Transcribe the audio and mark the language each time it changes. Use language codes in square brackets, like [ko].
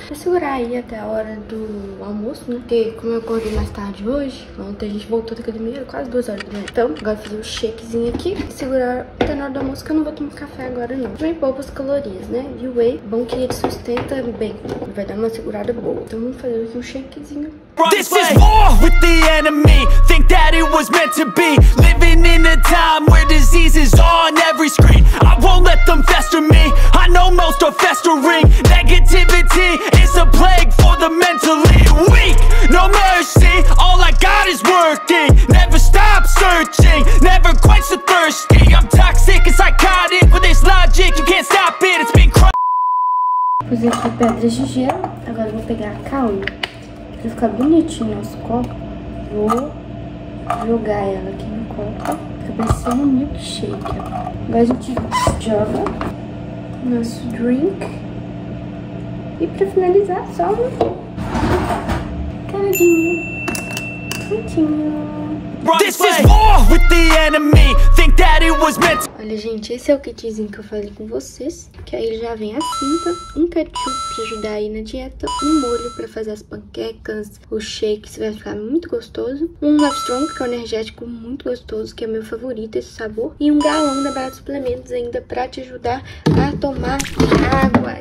[pt] Vou segurar aí até a hora do almoço, né? Porque como eu acordei mais tarde hoje, ontem a gente voltou da academia, era quase 2 horas, né? Então, agora fazer um shakezinho aqui. Segurar até na hora do almoço, que eu não vou tomar café agora, não. Também poupa as calorias, né? E o whey, bom que ele sustenta bem. Vai dar uma segurada boa. Então vamos fazer aqui um shakezinho. [en] This is war with the enemy. Think that it was meant to be. Living in a time where disease is on every screen. I won't let them fester me. I know most are festering. Negativity is a plague for the mentally weak. No mercy, all I got is working. Never stop searching. Never quench the thirsty. I'm toxic and psychotic. With this logic, you can't stop it. It's been crying. [pt] Vou fazer aqui pedras de gelo. Agora vou pegar a calma. Pra ficar bonitinho nosso copo, vou jogar ela aqui no copo. Fica parecendo um milkshake. Agora a gente joga nosso drink. E pra finalizar, só um caradinho. Prontinho. [en] This is war with the enemy. Think that it was meant to... [pt] Olha, gente, esse é o kitzinho que eu falei com vocês. Que aí já vem a cinta, um ketchup pra ajudar aí na dieta, um molho pra fazer as panquecas, o shake, isso vai ficar muito gostoso. Um Love Strong, que é um energético muito gostoso, que é meu favorito, esse sabor. E um galão da Barato Suplementos ainda pra te ajudar a tomar água.